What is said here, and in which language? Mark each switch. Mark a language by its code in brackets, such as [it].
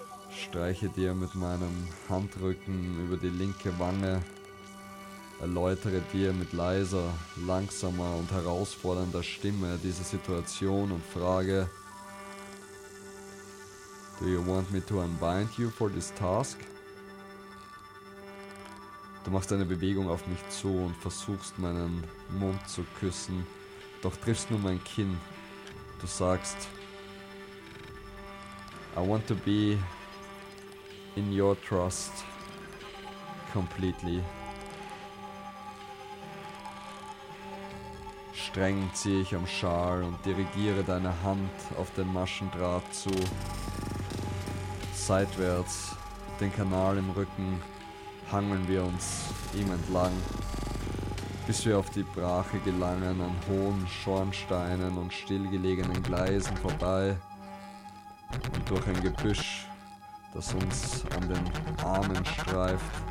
[de] Streiche dir mit meinem Handrücken über die linke Wange, erläutere dir mit leiser, langsamer und herausfordernder Stimme diese Situation und frage: [en] Do you want me to unbind you for this task? [de] Du machst eine Bewegung auf mich zu und versuchst meinen Mund zu küssen, doch triffst nur mein Kinn. Du sagst: [en] I want to be in your trust completely. [de] Streng ziehe ich am Schal und dirigiere deine Hand auf den Maschendraht zu. Seitwärts, den Kanal im Rücken, hangeln wir uns ihm entlang, bis wir auf die Brache gelangen, an hohen Schornsteinen und stillgelegenen Gleisen vorbei und durch ein Gebüsch, das uns an den Armen streift.